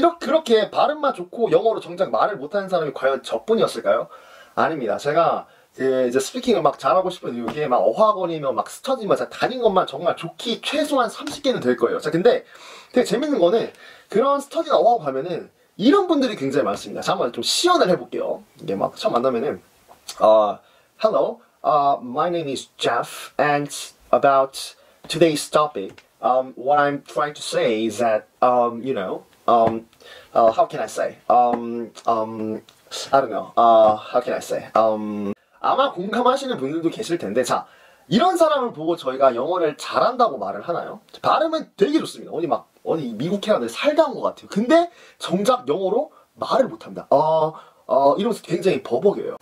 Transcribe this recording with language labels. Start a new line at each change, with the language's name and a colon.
Korean: 그렇게 발음만 좋고 영어로 정작 말을 못하는 사람이 과연 저뿐이었을까요? 아닙니다. 제가 이제 스피킹을 막 잘하고 싶은 이유, 이게 막 어학원이면 막 스터디면 다닌 것만 정말 좋기 최소한 30개는 될 거예요. 자, 근데 되게 재밌는 거는 그런 스터디나 어학원 가면은 이런 분들이 굉장히 많습니다. 자, 한번 좀 시연을 해볼게요.
English: 이게 막 처음 만나면은 Hello, my name is Jeff, and about today's topic, what I'm trying to say is that, you know, how can I say? I don't know, how can I say?
Korean: 아마 공감하시는 분들도 계실 텐데, 자, 이런 사람을 보고 저희가 영어를 잘한다고 말을 하나요? 발음은 되게 좋습니다. 언니 막, 언니 미국 캐나다에 살다 온것 같아요. 근데 정작 영어로 말을 못합니다. 이러면서 굉장히 버벅여요.